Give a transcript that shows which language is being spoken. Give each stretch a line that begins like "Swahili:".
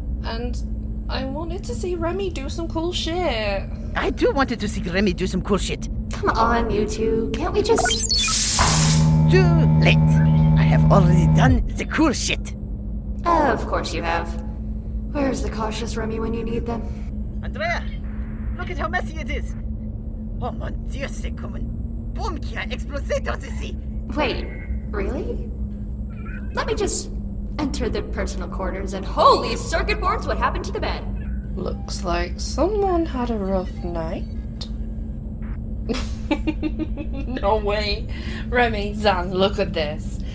English: And I wanted to see Remy do some cool shit. I do wanted to see Remy do some cool shit. Come on, you two. Can't we just... Too late. I have already done the cool shit. Of course you have. Where's the cautious Remy when you need them? Andrea! Look at how messy it is!
French: Oh, mon dieu, c'est comme un bombe qui a explosé dans le sea!
English: Wait, really? Let me just enter the personal quarters and holy circuit boards, what happened to the bed? Looks like someone had a rough night. No way! Remy, Zan, look at this.